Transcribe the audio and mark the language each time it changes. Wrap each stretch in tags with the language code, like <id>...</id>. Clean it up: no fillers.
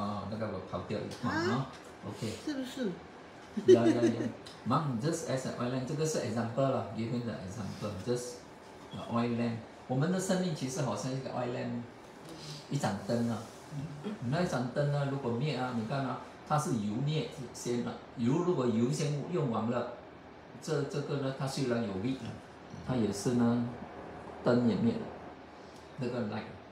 <zh>那个我跑掉一趟是不是？</zh> <en>Monk just as an oil lamp,</en> <zh>这个是</zh> <en>example 啦, giving the example, just the oil lamp.</en> <zh>我们的生命其实好像一个 oil lamp, 一盏灯啊, 那一盏灯呢, 如果灭啊, 你看啊, 它是油灭先啊, 油如果油先用完了, 这个呢, 它虽然有力啊, 它也是呢, 灯也灭了, 那个 light.</zh>